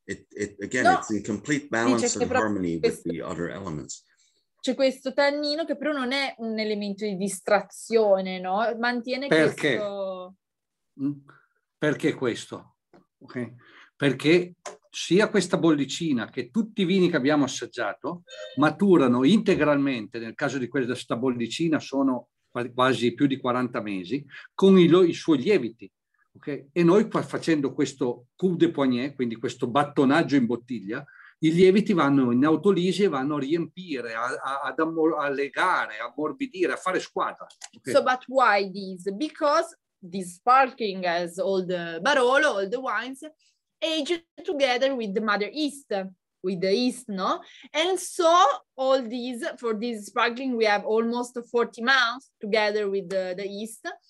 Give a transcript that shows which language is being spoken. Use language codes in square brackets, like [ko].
[en] It's in complete balance and harmony with the other elements. [it] C'è questo tannino che però non è un elemento di distrazione, no? Mantiene perché? Questo... Perché questo? Okay. Perché sia questa bollicina che tutti i vini che abbiamo assaggiato maturano integralmente, nel caso di questa bollicina sono quasi più di 40 mesi, con i suoi lieviti. Okay? E noi qua facendo questo coup de poignet, quindi questo battonaggio in bottiglia, i lieviti vanno in autolisi e vanno a riempire, a legare, a morbidire, a fare squadra. [en] Okay? So, but why this? Because this sparkling as all the Barolo, all the wines, aged together with the mother yeast, with the yeast, no? And so all these, for this sparkling, we have almost 40 months together with the yeast.